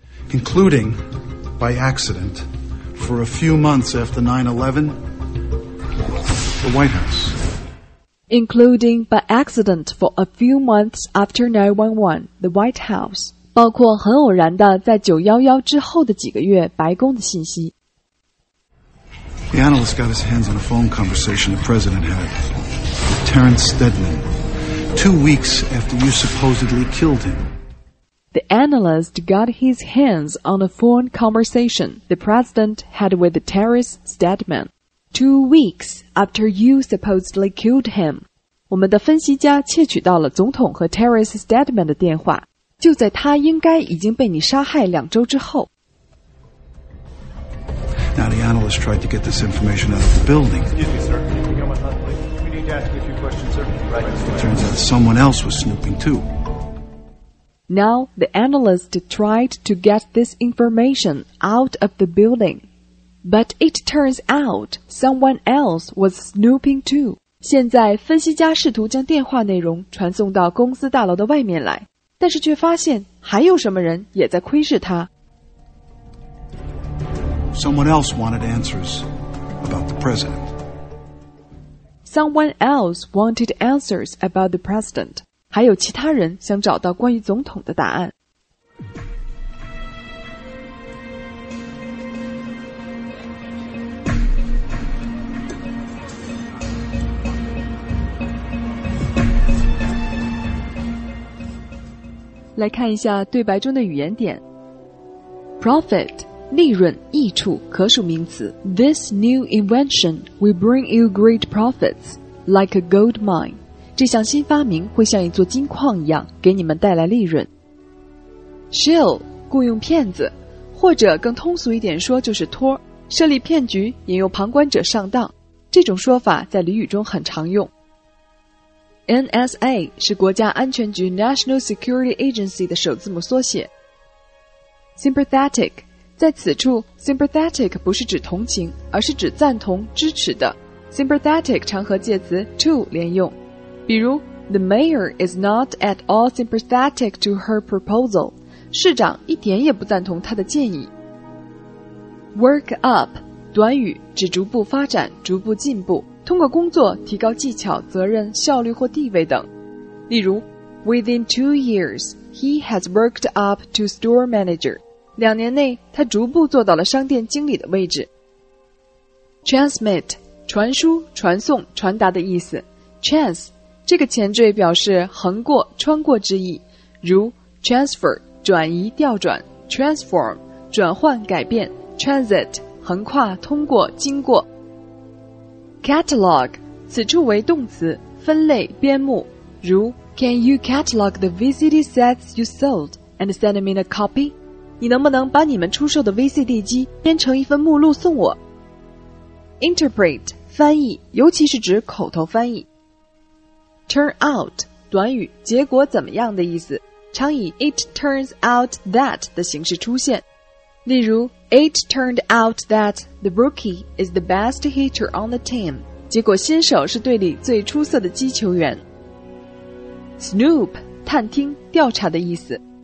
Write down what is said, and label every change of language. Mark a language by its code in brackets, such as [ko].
[en] Including by accident, for a few months after 9/11, the White House. Including by accident for a few months after 9/11, the White House. [zh] 包括很偶然的在911之后的几个月白宫的信息。 [en] The analyst got his hands on a phone conversation the president had with Terrence Steadman, 2 weeks after you supposedly killed him. The analyst got his hands on a phone conversation the president had with Terrence Steadman. 2 weeks after you supposedly killed him. [zh] 我们的分析家窃取到了总统和 Terrence Steadman 的电话，就在他应该已经被你杀害两周之后。 [en] Now the analyst tried to get this information out of the building. Excuse me, sir. Can you come on, please? We need to ask you a few questions, sir. Right. It turns out someone else was snooping too. Now the analyst tried to get this information out of the building. But it turns out someone else was snooping too. [zh] 现在分析家试图将电话内容传送到公司大楼的外面来，但是却发现还有什么人也在窥视他。 [en] Someone else wanted answers about the president. Someone else wanted answers about the president. 还有其他人想找到关于总统的答案。 [zh] 来看一下对白中的语言点。 Profit 利润益处可数名词。 [en] This new invention will bring you great profits like a gold mine. [zh] 这项新发明会像一座金矿一样给你们带来利润。 Shill 雇佣骗子，或者更通俗一点说就是托，设立骗局引诱旁观者上当，这种说法在俚语中很常用。 NSA 是国家安全局 [en] National Security Agency [zh] 的首字母缩写。 Sympathetic 在此处 Sympathetic 不是指同情，而是指赞同、支持的。 [en] Sympathetic [zh] 常和介词 to 连用，比如 [en] The mayor is not at all sympathetic to her proposal. [zh] 市长一点也不赞同她的建议。 [en] Work up [zh] 短语，指逐步发展、逐步进步，通过工作提高技巧、责任、效率或地位等。例如 [en] Within 2 years, he has worked up to store manager. [zh] 两年内他逐步做到了商店经理的位置。 [en] Transmit [zh] 传输、传送、传达的意思。Trans 这个前缀表示横过、穿过之意，如 [en] Transfer [zh] 转移、调转， [en] Transform [zh] 转换、改变， [en] Transit [zh] 横跨、通过、经过。 [en] Catalog [zh] 此处为动词，分类、编目，如 [en] Can you catalog the VCD sets you sold and send me a copy? [zh] 你能不能把你们出售的 VCD 机编成一份目录送我？ [en] Interpret [zh] 翻译，尤其是指口头翻译。 [en] Turn out [zh] 短语，结果怎么样的意思，常以 [en] It turns out that [zh] 的形式出现， [en] 例如It turned out that the rookie is the best hitter on the team. [zh] 结果新手是队里最出色的击球员。 [en] Snoop, [zh] 探听、调查的意思。